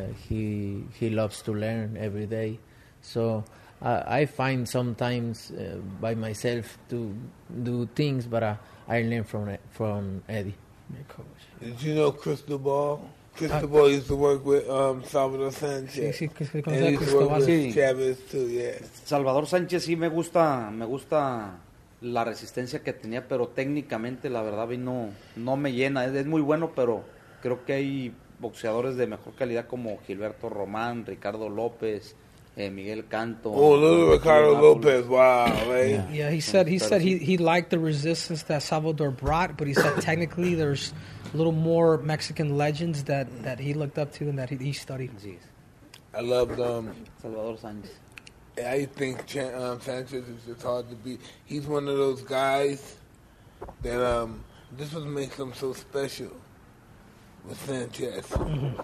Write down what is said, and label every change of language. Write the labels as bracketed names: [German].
[English] He loves to learn every day. So I find sometimes by myself to do things, but I learned from Eddie. Did you know Cristobal? Cristobal used to work with Salvador Sánchez. [Spanish] Sí, sí, Cristobal. [English] And he used to work with Chavez too, yeah. [Spanish] Salvador Sánchez, sí, me gusta la resistencia que tenía, pero técnicamente, la verdad, no me llena. Es muy bueno, pero creo que hay boxeadores de mejor calidad como Gilberto Román, Ricardo López, Miguel Canto. [English] Oh, little Ricardo Lopez. Wow, man. Yeah, he said he liked the resistance that Salvador brought, but he said technically there's a little more Mexican legends that he looked up to and that he studied. Jeez. I loved Salvador Sánchez. I think Sánchez is just hard to beat. He's one of those guys that this was makes him so special with Sánchez. Mm-hmm.